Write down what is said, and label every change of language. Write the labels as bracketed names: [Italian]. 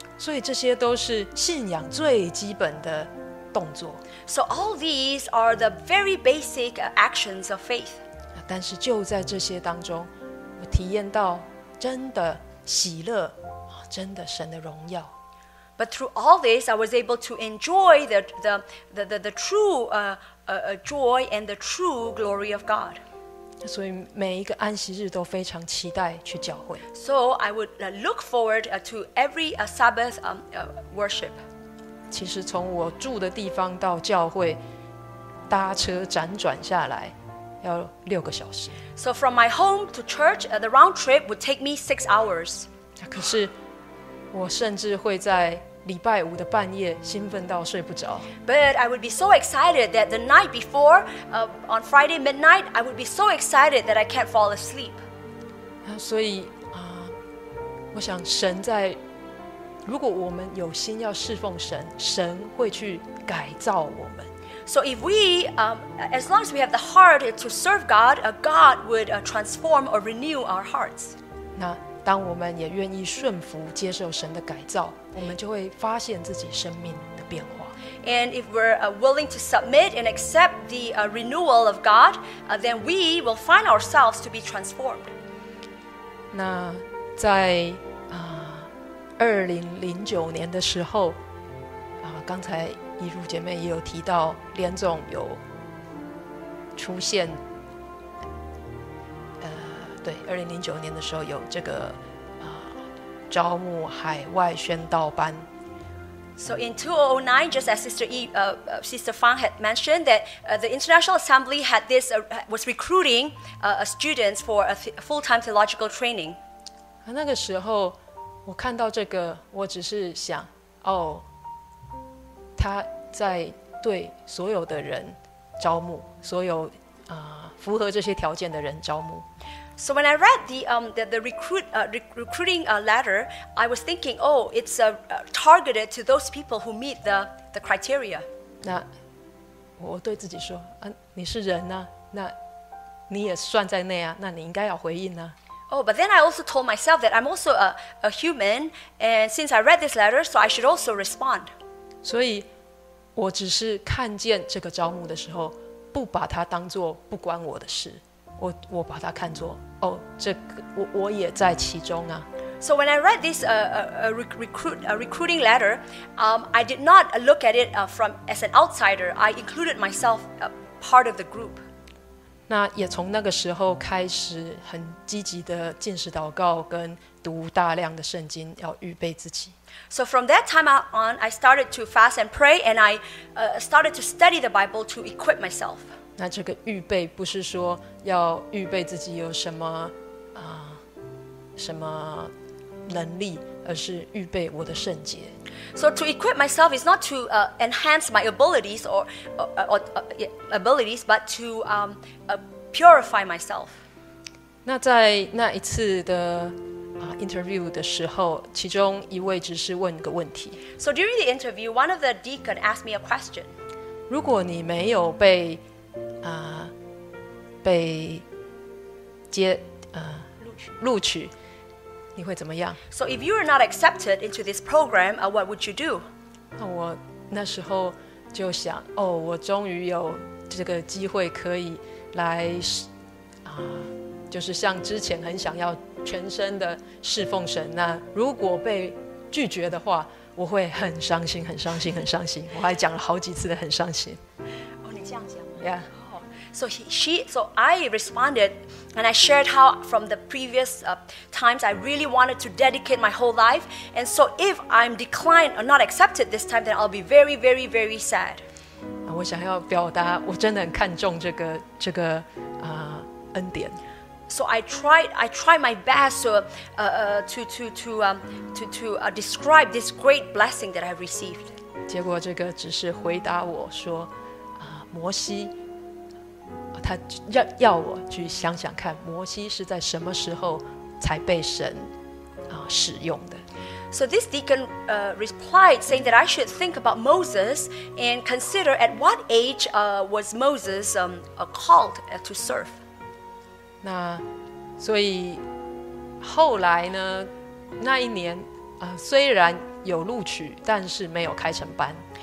[Chinese] 所以这些都是信仰最基本的动作。 [English] So all these are the very basic actions of faith. [Chinese] 但是就在这些当中，我体验到真的喜乐，真的神的荣耀。 [English] But through all this, I was able to enjoy the true joy and the true glory of God. [Chinese] 所以每一个安息日都非常期待去教会。 [English] So I would look forward to every Sabbath worship. [Chinese] 其实从我住的地方到教会，搭车辗转下来，要六个小时。 [English] So from my home to church, the round trip would take me 6 hours. [Chinese] 可是我甚至会在礼拜五的半夜兴奋到睡不着。 [English] But I would be so excited that the night before, on Friday midnight, I would be so excited that I can't fall asleep. [Chinese] 所以，我想神在，如果我们有心要侍奉神，神会去改造我们。 [English] So if we, as long as we have the heart to serve God, God would transform or renew our hearts. [Chinese] 那当我们也愿意顺服接受神的改造，我们就会发现自己生命的变化。 [English] And if we're willing to submit and accept the renewal of God, then we will find ourselves to be transformed. [Chinese] 那在2009年的时候，刚才一如姐妹也有提到，连总有出现，对，2009年的时候有这个招募海外宣道班。 [English] So in 2009, just as Sister Fang had mentioned, that the International Assembly had this, was recruiting students for a full-time theological training. [Chinese] 那个时候我看到这个，我只是想，哦，他在对所有的人招募，所有符合这些条件的人招募。 [English] So when I read the recruiting letter, I was thinking, oh, it's targeted to those people who meet the criteria. [Chinese] 那我对自己说，你是人啊，那你也算在内啊，那你应该要回应啊。 [English] Oh, but then I also told myself that I'm also a human, and since I read this letter, so I should also respond. [Chinese] 所以我只是看见这个招募的时候，不把它当作不关我的事。我把它看作，哦，这个，我也在其中啊。 [English] So when I read this recruiting letter, I did not look at it from as an outsider. I included myself a part of the group. [Chinese] 那也从那个时候开始很积极的进食祷告跟读大量的圣经，要预备自己。 [English] So from that time on, I started to fast and pray, and I started to study the Bible to equip myself. [Chinese] 那这个预备不是说要预备自己有什么什么能力，而是预备我的圣洁。 [English] So to equip myself is not to enhance my abilities or abilities, but to purify myself. [Chinese] 那在那一次的interview 的时候，其中一位只是问一个问题。 [English] So during the interview, one of the deacons asked me a question. [Chinese] 如果你没有被被录取，你会怎么样？ [English] So if you are not accepted into this program, what would you do? [Chinese] 那我那时候就想，哦，我终于有这个机会可以来，就是像之前很想要全身的侍奉神，那如果被拒绝的话，我会很伤心，很伤心，很伤心。我还讲了好几次的很伤心。哦，你这样讲。 [English] Yeah. So I responded and I shared how from the previous times I really wanted to dedicate my whole life. And so if I'm declined or not accepted this time, then I'll be very, very, very sad. [Chinese] 我想要表达我真的很看重这个恩典。 [English] So I tried my best to describe this great blessing that I've received. [Chinese] 结果这个只是回答我说，摩西他 要我去想想看，摩西是在什么时候才被神使用的。 [English] So this deacon replied saying that I should think about Moses and consider at what age was Moses called to serve. [Chinese] 那所以后来呢，那一年虽然有录取，但是没有开成班。